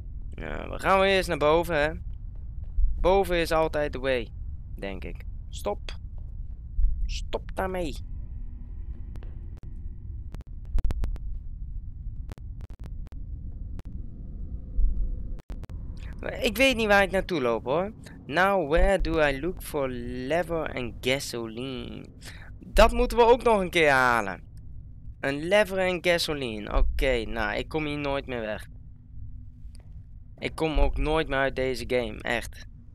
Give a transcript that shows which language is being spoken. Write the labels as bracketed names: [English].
[Dutch] Nou, we gaan weer eens naar boven, hè. Boven is altijd the way, denk ik. Stop. Stop daarmee. Ik weet niet waar ik naartoe loop, hoor. [English] Now, where do I look for lever and gasoline? [Dutch] Dat moeten we ook nog een keer halen. Een lever en gasoline. Oké, nou, ik kom hier nooit meer weg. Ik kom ook nooit meer uit deze game, echt.